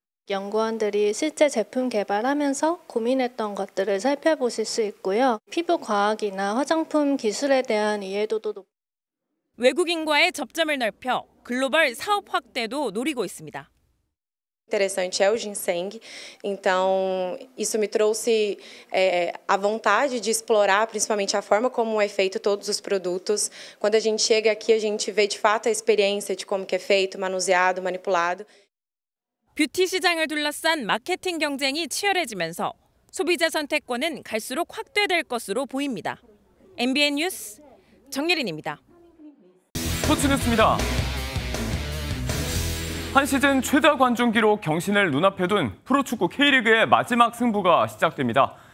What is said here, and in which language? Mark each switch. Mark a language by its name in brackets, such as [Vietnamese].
[Korean] 연구원들이 실제 제품 개발하면서 고민했던 것들을 살펴보실 수 있고요. 피부 과학이나 화장품 기술에 대한 이해도도 높고 외국인과의 접점을 넓혀 글로벌 사업 확대도 노리고 있습니다. [Portuguese] Interessante é o ginseng. Então, isso me trouxe a vontade de explorar principalmente a forma como é feito todos os produtos. Quando a gente chega aqui, a gente vê de fato a experiência de como que é feito, manuseado, manipulado. [Korean] 뷰티 시장을 둘러싼 마케팅 경쟁이 치열해지면서 소비자 선택권은 갈수록 확대될 것으로 보입니다. MBN 뉴스 정예린입니다. 스포츠 뉴스입니다. 한 시즌 최다 관중 기록 경신을 눈앞에 둔 프로축구 K리그의 마지막 승부가 시작됩니다.